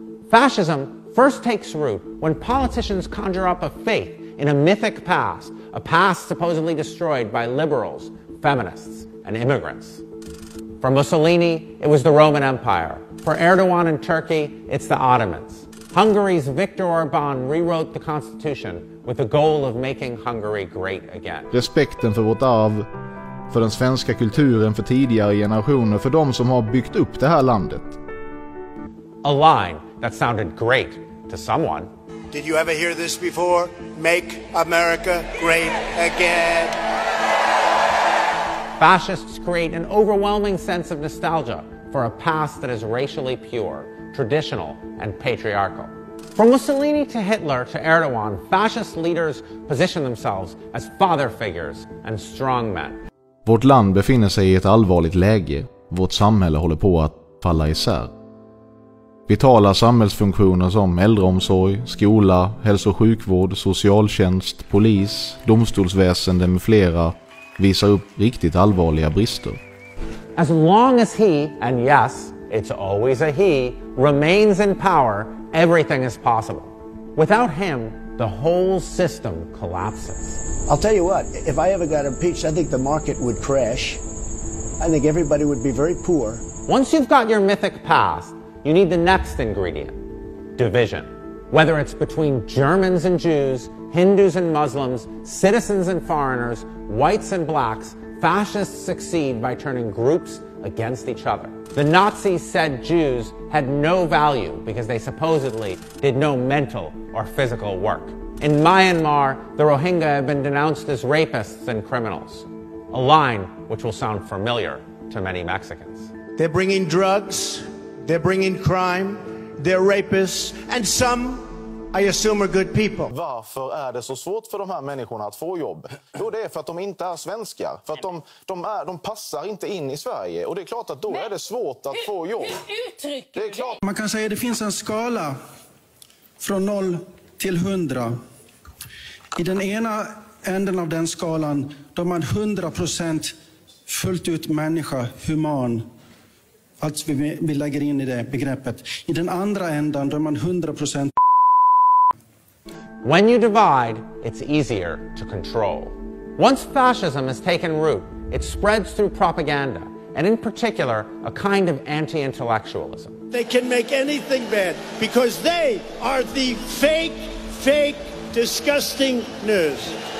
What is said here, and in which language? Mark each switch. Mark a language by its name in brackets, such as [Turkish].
[English] Fascism first takes root when politicians conjure up a faith in a mythic past, a past supposedly destroyed by liberals, feminists, and immigrants. For Mussolini, it was the Roman Empire. For Erdogan in Turkey, it's the Ottomans. Hungary's Viktor Orban rewrote the constitution with the goal of making Hungary great again. [Swedish] Respekten för vårt arv, för den svenska kulturen, för tidigare generationer, för de som har byggt upp det här landet. [English] A line that sounded great to someone. Did you ever hear this before? Make America great again. Fascists create an overwhelming sense of nostalgia for a past that is racially pure, traditional, and patriarchal. From Mussolini to Hitler to Erdogan, fascist leaders position themselves as father figures and strong men. [Swedish] Vårt land befinner sig i ett allvarligt läge. Vårt samhälle håller på att falla isär. Vitala samhällsfunktioner som äldreomsorg, skola, hälso- och sjukvård, socialtjänst, polis, domstolsväsende med flera visar upp riktigt allvarliga brister. [English] As long as he, and yes, it's always a he, remains in power, everything is possible. Without him, the whole system collapses. I'll tell you what, if I ever got impeached, I think the market would crash. I think everybody would be very poor. Once you've got your mythic past, you need the next ingredient, division. Whether it's between Germans and Jews, Hindus and Muslims, citizens and foreigners, whites and blacks, fascists succeed by turning groups against each other. The Nazis said Jews had no value because they supposedly did no mental or physical work. In Myanmar, the Rohingya have been denounced as rapists and criminals, a line which will sound familiar to many Mexicans. They're bringing drugs, they're bringing crime, they're rapists, and some, I assume, are good people. [Swedish] Varför är det så svårt för de här människorna att få jobb? Jo, det är för att de inte är svenskar. För att de passar inte in i Sverige. Och det är klart att då är det svårt att få jobb. Det är klart. Man kan säga att det finns en skala från 0 till 100. I den ena änden av den skalan, då man 100% fullt ut människa, human. Att vi lägger in i det begreppet. I den andra änden, då man 100%. [English] When you divide, it's easier to control. Once fascism has taken root, it spreads through propaganda, and in particular, a kind of anti-intellectualism. They can make anything bad because they are the fake, fake, disgusting news.